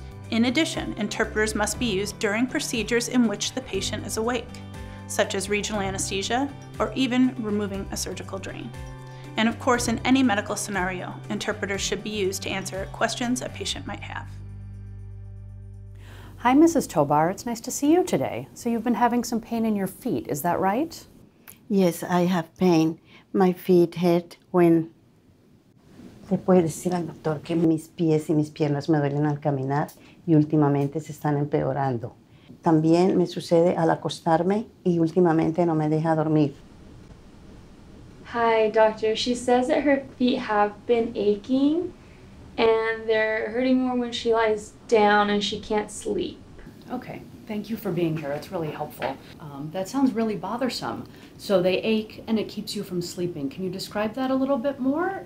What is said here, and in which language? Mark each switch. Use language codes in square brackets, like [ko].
[en] In addition, interpreters must be used during procedures in which the patient is awake, such as regional anesthesia or even removing a surgical drain. And of course, in any medical scenario, interpreters should be used to answer questions a patient might have. Hi, Mrs. Tobar. It's nice to see you today. So you've been having some pain in your feet, is that right? Yes, I have pain. My feet hurt when... [es] ¿Le puede decir al doctor que mis pies y mis piernas me duelen al caminar y últimamente se están empeorando? También me sucede al acostarme y últimamente no me deja dormir. [en] Hi, doctor. She says that her feet have been aching and they're hurting more when she lies down and she can't sleep. Okay. Thank you for being here. It's really helpful. That sounds really bothersome. So they ache and it keeps you from sleeping. Can you describe that a little bit more?